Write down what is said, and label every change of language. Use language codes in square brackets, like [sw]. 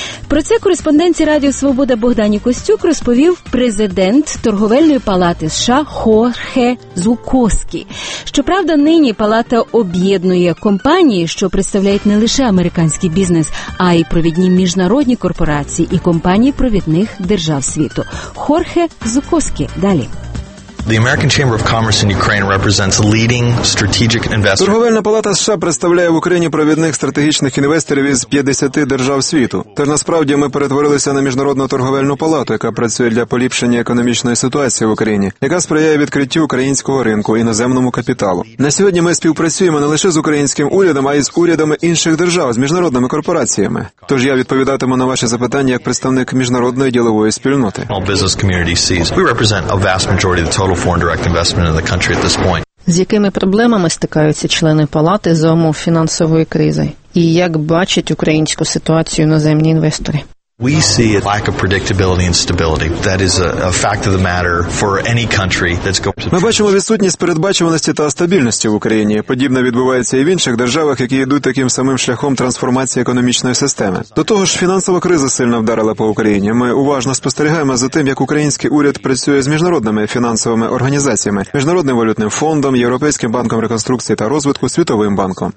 [uk] Про це кореспонденті Радіо Свобода Богдані Костюк розповів президент Торговельної палати США Хорхе Зукоскі. Щоправда, нині палата об'єднує компанії, що представляють не лише американський бізнес, а й провідні міжнародні корпорації і компанії провідних держав світу. Хорхе Зукоскі далі. [en] The American Chamber of Commerce in Ukraine represents leading strategic investors. [uk] Торговельна палата США представляє в Україні провідних стратегічних інвесторів із 50 держав світу. Тож насправді ми перетворилися на міжнародну торговельну палату, яка працює для поліпшення економічної ситуації в Україні, яка сприяє відкриттю українського ринку іноземному капіталу. На сьогодні ми співпрацюємо не лише з українським урядом, а й з урядами інших держав, з міжнародними корпораціями. Тож я відповідатиму на ваші запитання як представник міжнародної ділової спільноти. [en] All business community sees. We represent a vast majority of the total foreign direct investment in the country at this point. [uk] З якими проблемами стикаються члени палати за умов фінансової кризи? І як бачать українську ситуацію іноземні інвестори? [en] We see a lack of predictability and stability. That is a fact of the matter for any country that's going to... [uk] Ми бачимо відсутність передбачуваності та стабільності в Україні. Подібне відбувається і в інших державах, які йдуть таким самим шляхом трансформації економічної системи. До того ж, фінансова криза сильно вдарила по Україні. Ми уважно спостерігаємо за тим, як український уряд працює з міжнародними фінансовими організаціями, Міжнародним валютним фондом, Європейським банком реконструкції та розвитку, Світовим банком.